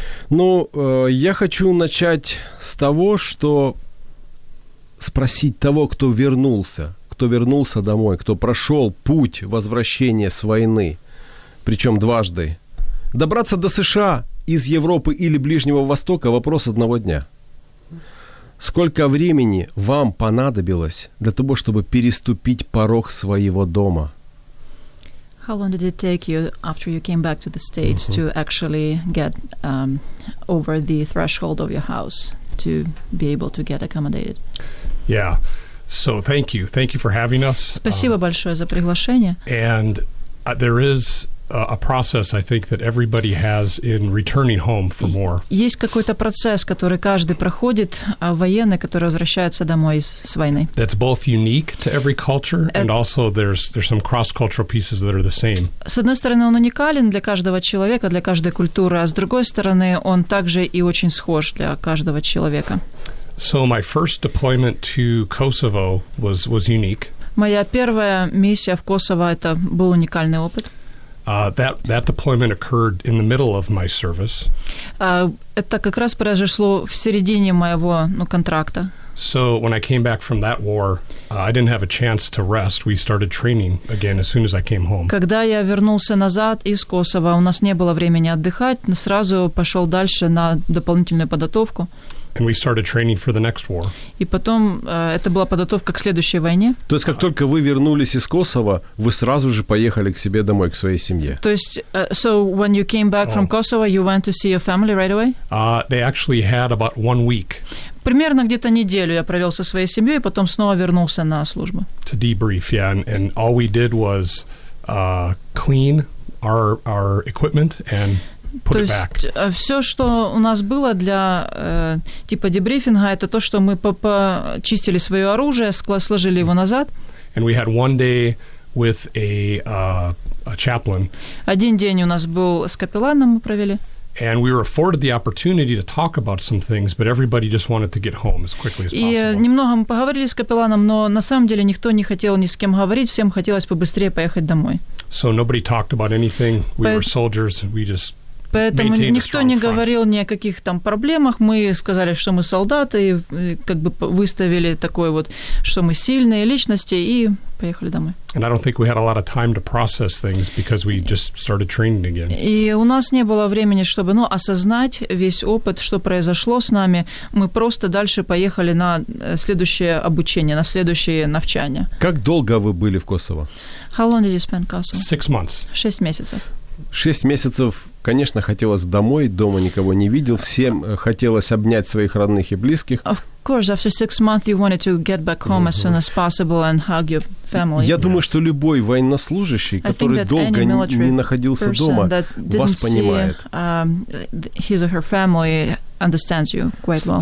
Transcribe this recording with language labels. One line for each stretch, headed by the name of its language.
Russian: Ну, я хочу начать с того, что спросить того, кто вернулся домой, кто прошел путь возвращения с войны, причем дважды, добраться до США из Европы или Ближнего Востока — вопрос одного дня. Сколько времени вам понадобилось для того, чтобы переступить порог своего дома?
English: How long did it take you after you came back to the States to actually get over the threshold of your house to be able to get accommodated? Yeah. So thank you. Thank you for having us.
Russian: Спасибо большое за приглашение.
English: And there is a process, I think, that everybody has in returning home for more.
Russian: Есть какой-то процесс, который каждый проходит, военный, который возвращается домой с войны.
English: That's both unique to every culture, and also there's some cross-cultural pieces that are the same.
Russian: С одной стороны, он уникален для каждого человека, для каждой культуры, а с другой стороны, он также и очень схож для каждого человека.
English: So my first deployment to Kosovo was unique.
Russian: Моя первая миссия в Косово – это был уникальный опыт.
English: That deployment occurred in the middle of my service.
Russian: Это как раз произошло в середине моего, ну, контракта.
English: So when I came back from that war, I didn't have a chance to rest. We started training again as soon as I came home.
Russian: Когда я вернулся назад из Косово, у нас не было времени отдыхать, но сразу пошел дальше на дополнительную подготовку.
English: And we started training for the next war.
Russian: И потом это была подготовка к следующей войне. То есть как только вы вернулись из Косово, вы сразу же поехали к себе домой, к своей семье. То есть
English: so when you came back from Kosovo, you went to see your family right away? They actually had about 1 week.
Russian: Примерно где-то неделю я провел со своей семьей, потом снова вернулся на службу.
English: To debrief, yeah, and all we did was clean our equipment and put it back.
Russian: То есть все, что у нас было для типа дебрифинга, это то, что мы почистили свое оружие, сложили его назад.
English: And we had one day with a chaplain.
Russian: Один день у нас был с капелланом, мы провели.
English: And we were afforded the opportunity to talk about some things, but everybody just wanted to get home as quickly as possible.
Russian: И немного мы поговорили с капелланом, но на самом деле никто не хотел ни с кем говорить, всем хотелось побыстрее поехать домой.
English: So nobody talked about anything. We were soldiers. We just
Russian: Поэтому никто не говорил ни о каких там проблемах. Мы сказали, что мы солдаты, и как бы выставили такое вот, что мы сильные личности, и поехали домой.
English: And I don't think we had a lot of time to process things because we just started training again.
Russian: И у нас не было времени, чтобы, ну, осознать весь опыт, что произошло с нами. Мы просто дальше поехали на следующее обучение, на следующее навчание. Как долго вы были в Косово?
English: How long did you spend in Kosovo? 6 months.
Russian: Шесть месяцев. 6 месяцев, конечно, хотелось домой, дома никого не видел, всем хотелось обнять своих родных и близких.
English: Of course, after 6 months you wanted to get back home as soon as possible and hug your family.
Russian: Я думаю, что любой военнослужащий, который долго не находился дома, вас понимает.
English: His or her family understands you quite well.